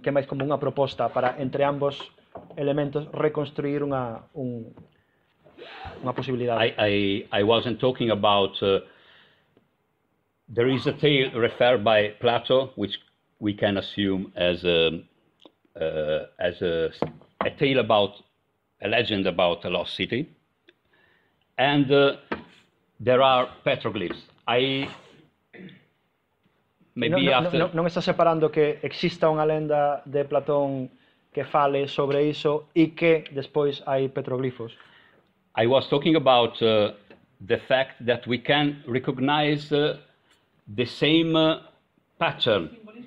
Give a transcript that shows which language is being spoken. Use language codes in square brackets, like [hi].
[gl] Que máis como unha proposta para entre ambos elementos reconstruir unha posibilidade. [en] I wasn't talking about there is a tale referred by Plato which we can assume as a tale about a legend about a lost city, and there are petroglyphs. [gl] Non está separando que exista unha lenda de Platón que fale sobre iso e que despois hai petroglifos. [en] I was talking about the fact that we can recognize the same pattern.